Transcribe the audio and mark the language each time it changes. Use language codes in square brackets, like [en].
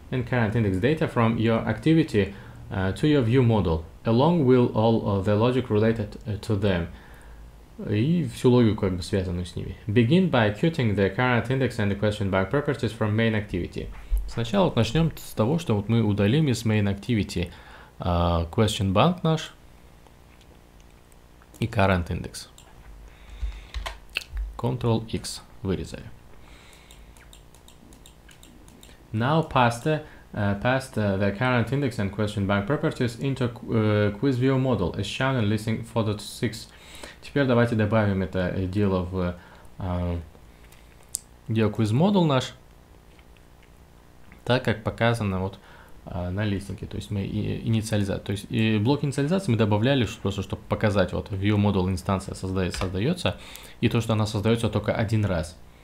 [en] And current index data from your activity to your view model, along with all the logic related to them. [ru] И всю логику, как бы, связанную с ними. [en] Begin by cutting the current index and the question bug properties from main activity. [ru] Сначала вот начнем с того, что вот мы удалим из main activity question bug наш и current index. Ctrl X вырезаю. [en] Now pass the current index and question bank properties into QuizViewModel as shown in listing 4.6. [ru] Теперь давайте добавим это дело в GeoQuizModel наш, так как показано вот на листинге, то есть мы инициализация, то есть и блок инициализации мы добавляли просто, чтобы показать, вот ViewModel инстанция создается, и то, что она создается только один раз.